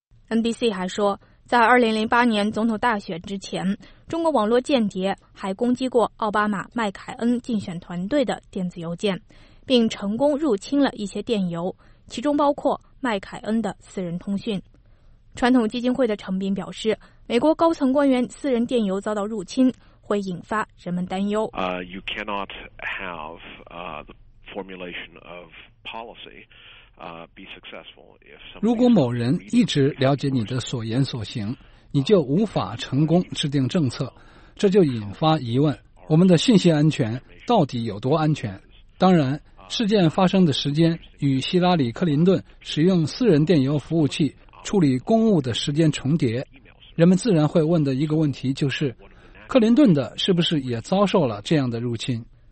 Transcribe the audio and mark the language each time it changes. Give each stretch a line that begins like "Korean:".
Chinese: NBC 还说，在2008年总统大选之前，中国网络间谍还攻击过奥巴马麦凯恩竞选团队的电子邮件，并成功入侵了一些电邮，其中包括麦凯恩的私人通讯。传统基金会的成兵表示，美国高层官员私人电邮遭到入侵会引发人们担忧。
English: You cannot have the formulation of policy be successful if someone.
Chinese: 如果某人一直了解你的所言所行，你就无法成功制定政策，这就引发疑问：我们的信息安全到底有多安全？当然，事件发生的时间与希拉里·克林顿使用私人电邮服务器处理公务的时间重叠，人们自然会问的一个问题就是，克林顿的是不是也遭受了这样的入侵。